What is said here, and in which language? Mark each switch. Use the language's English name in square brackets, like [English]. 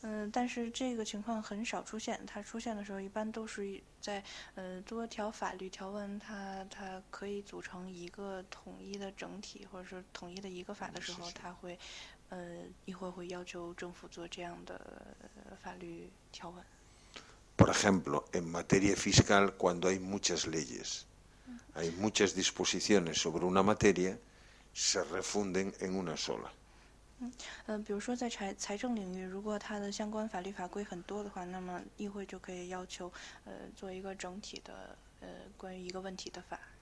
[Chinese] 但是这个情况很少出现，它出现的时候一般都是在多条法律条文它可以组成一个统一的整体或者是统一的一个法的时候，它会一会会要求政府做这样的法律条文。 [Spanish] Por ejemplo, en materia fiscal, cuando hay muchas leyes, hay muchas disposiciones sobre una materia, se refunden en una sola. [Chinese] 比如说在财政领域，如果它的相关法律法规很多的话，那么议会就可以要求做一个整体的关于一个问题的法。